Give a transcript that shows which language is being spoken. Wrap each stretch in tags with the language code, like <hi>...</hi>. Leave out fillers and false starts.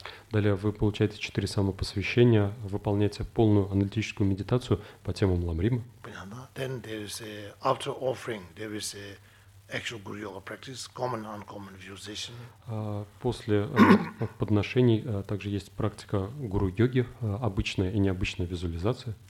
<ru>Далее вы получаете 4 самопосвящения, выполняете полную аналитическую медитацию по темам ламрима. Понятно.</ru> <en>Then there is after offering, there is actual guru yoga practice, common and uncommon visualization.</en> <ru>После подношений также есть практика гуру йоги, обычная и необычная визуализация.</ru>